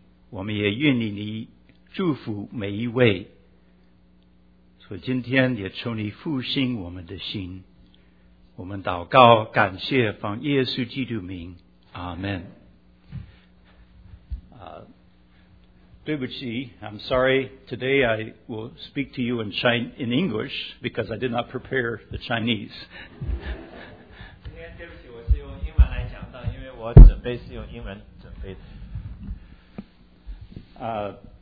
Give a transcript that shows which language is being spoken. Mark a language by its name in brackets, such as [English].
[Chinese] 我们也愿意你祝福每一位，所以今天也求你复兴我们的心。我们祷告感谢奉耶稣基督名，阿们。对不起， [English] I'm sorry. Today I will speak to you in in English because I did not prepare the Chinese. [Chinese] 今天对不起，我是用英文来讲的，因为我准备是用英文准备的。